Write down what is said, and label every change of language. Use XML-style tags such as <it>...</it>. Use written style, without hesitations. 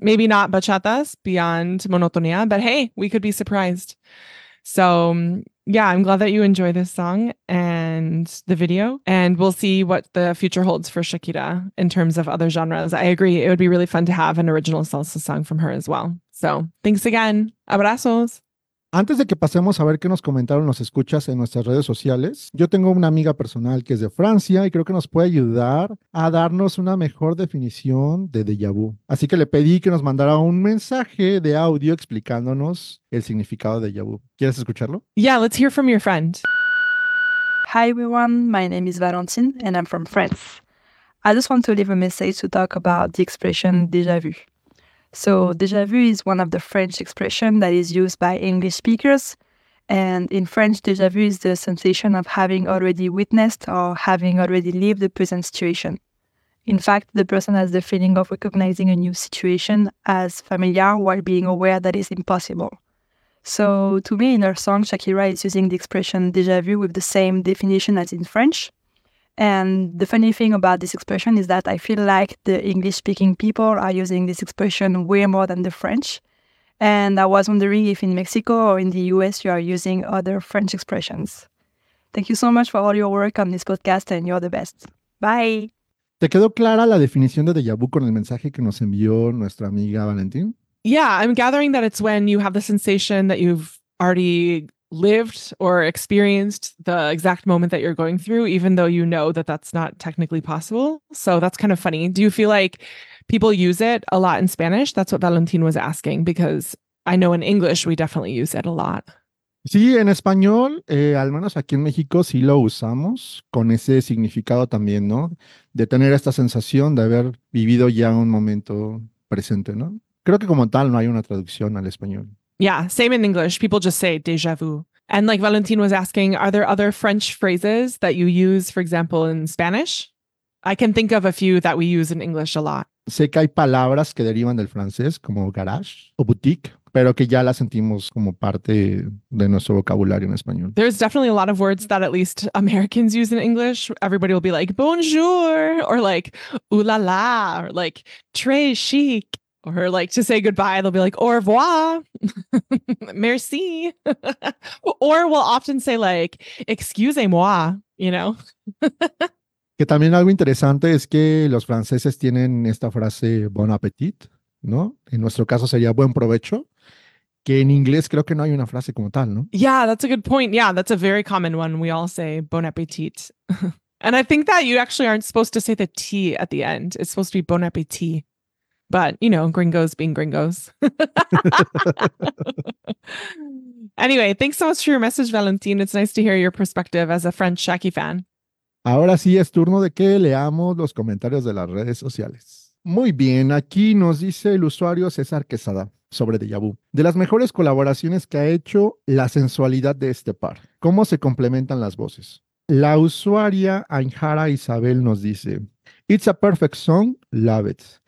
<en>Maybe not bachatas beyond monotonía, but hey, we could be surprised. So yeah, I'm glad that you enjoy this song and the video. And we'll see what the future holds for Shakira in terms of other genres. I agree. It would be really fun to have an original salsa song from her as well. So thanks again. Abrazos.</en> <es>Antes de que pasemos a ver qué nos comentaron los escuchas en nuestras redes sociales, yo tengo una amiga personal que es de Francia y creo que nos puede ayudar a darnos una mejor definición de déjà vu. Así que le pedí que nos mandara un mensaje de audio explicándonos el significado de déjà vu. ¿Quieres escucharlo?</es> <en>Yeah, let's hear from your friend. Hi everyone, my name is Valentin and I'm from France. I just want to leave a message to talk about the expression déjà vu. So déjà vu is one of the French expressions that is used by English speakers. And in French, déjà vu is the sensation of having already witnessed or having already lived a present situation. In fact, the person has the feeling of recognizing a new situation as familiar while being aware that it's impossible. So to me, in her song, Shakira is using the expression déjà vu with the same definition as in French. And the funny thing about this expression is that I feel like the English-speaking people are using this expression way more than the French. And I was wondering if in Mexico or in the US you are using other French expressions. Thank you so much for all your work on this podcast and you're the best. Bye!</en> <es>¿Te quedó clara la definición de déjà vu con el mensaje que nos envió nuestra amiga Valentín?</es> <en>Yeah, I'm gathering that it's when you have the sensation that you've already lived or experienced the exact moment that you're going through, even though you know that that's not technically possible. So that's kind of funny. Do you feel like people use it a lot in Spanish? That's what Valentin was asking, because I know in English, we definitely use it a lot.</en> <es>Sí, en español, al menos aquí en México, sí lo usamos con ese significado también, ¿no? De tener esta sensación de haber vivido ya un momento presente, ¿no? Creo que como tal, no hay una traducción al español.</es> <en>Yeah, same in English. People just say déjà vu. And like Valentin was asking, are there other French phrases that you use, for example, in Spanish? I can think of a few that we use in English a lot.</en> <es>Sé que hay palabras que derivan del francés, como garage o boutique, pero que ya las sentimos como parte de nuestro vocabulario en español.</es> <en>There's definitely a lot of words that at least Americans use in English. Everybody will be like, bonjour, or like, ooh la la, or like,</en> <fr>très chic.</fr> <en>Or like to say goodbye, they'll be like,</en> <fr>au revoir, merci.</fr> <en>Or we'll often say like, excusez-moi, you know.</en> <es>Que también algo interesante es que los franceses tienen esta frase bon appétit, ¿no? En nuestro caso sería buen provecho, que en inglés creo que no hay una frase como tal, ¿no?</es> <en>Yeah, that's a good point. Yeah, that's a very common one. We all say bon appétit. And I think that you actually aren't supposed to say the T at the end. It's supposed to be bon appétit. But, you know, gringos being gringos. Anyway, thanks so much for your message, Valentin. It's nice to hear your perspective as a French Shaki fan.</en> <es>Ahora sí es turno de que leamos los comentarios de las redes sociales. Muy bien, aquí nos dice el usuario César Quesada sobre Déjà Vu. De las mejores colaboraciones que ha hecho, la sensualidad de este par. ¿Cómo se complementan las voces? La usuaria Ainhara Isabel nos dice,</es> <en>it's a perfect song, love it.</en>